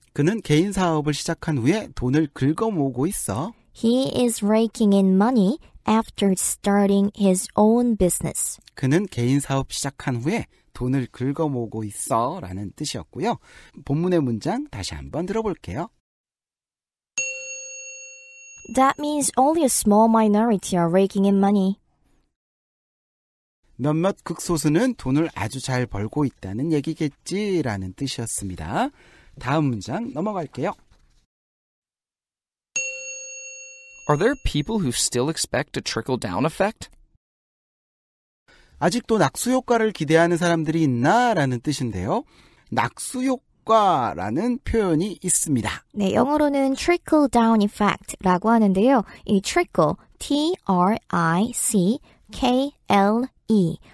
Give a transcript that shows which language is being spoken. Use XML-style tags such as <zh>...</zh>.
<ko>그는 개인 사업을 시작한 후에 돈을 긁어모으고 있어.</ko> <en>He is raking in money after starting his own business.</en> <ko>그는 개인 사업 시작한 후에 돈을 긁어모으고 있어 라는 뜻이었고요. 본문의 문장 다시 한번 들어볼게요.</ko> <en>That means only a small minority are raking in money.</en> <ko>몇몇 극소수는 돈을 아주 잘 벌고 있다는 얘기겠지 라는 뜻이었습니다. 다음 문장 넘어갈게요.</ko> <en>Are there people who still expect a trickle-down effect?</en> <ko>아직도 낙수효과를 기대하는 사람들이 있나? 라는 뜻인데요. 낙수효과라는 표현이 있습니다. 네, 영어로는 trickle-down effect라고 하는데요. 이 trickle, T-R-I-C-K-L-E.</ko>